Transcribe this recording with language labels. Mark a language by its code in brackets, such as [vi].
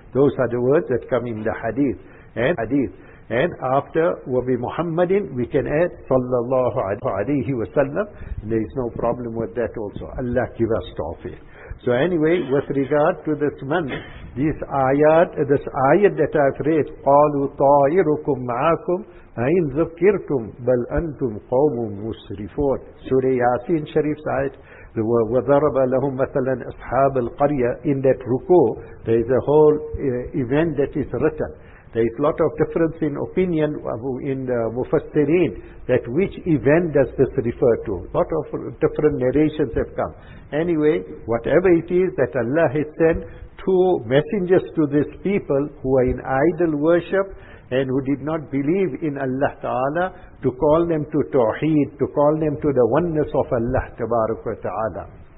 [en] Those are the words that come in the hadith. And after Wabi Muhammadin, we can add sallallahu alayhi wa sallam. There is no problem with that also. Allah give us tawfiq. So anyway, with regard to this month, this ayat that I've read, [ar] قَالُوا طَائِرُكُمْ مَعَاكُمْ أَيْنْ ذُكِّرْتُمْ بَلْ أَنْتُمْ قَوْمٌ مُسْرِفُونَ. [en] Surah Yasin Sharif's ayat, [ar] وَضَرَبَ لَهُمْ مَثَلًا أَصْحَابَ الْقَرْيَةِ. [en] In that ruku, there is a whole event that is written. There is a lot of difference in opinion in the Mufassireen that which event does this refer to. A lot of different narrations have come. Anyway, whatever it is that Allah has sent two messengers to these people who are in idol worship and who did not believe in Allah Ta'ala, to call them to Tawheed, to call them to the oneness of Allah Tabaraka Ta'ala.